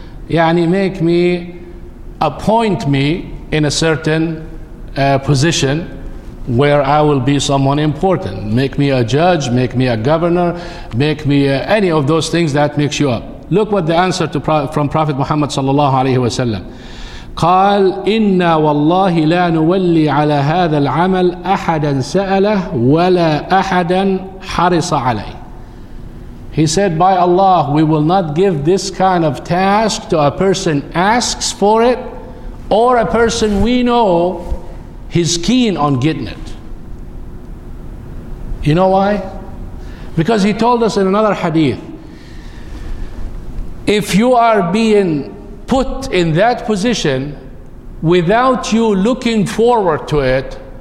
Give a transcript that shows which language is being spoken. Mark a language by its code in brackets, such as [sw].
[en] يعني make me, appoint me in a certain position where I will be someone important. Make me a judge, make me a governor, make me any of those things that makes you up. Look what the answer from Prophet Muhammad sallallahu alaihi wasallam. [ar] قال إن والله لا نولي على هذا العمل أحدا سأله ولا أحدا حرص عليه. [en] He said, by Allah, we will not give this kind of task to a person asks for it or a person we know he's keen on getting it. You know why? Because he told us in another hadith, if you are being put in that position without you looking forward to it,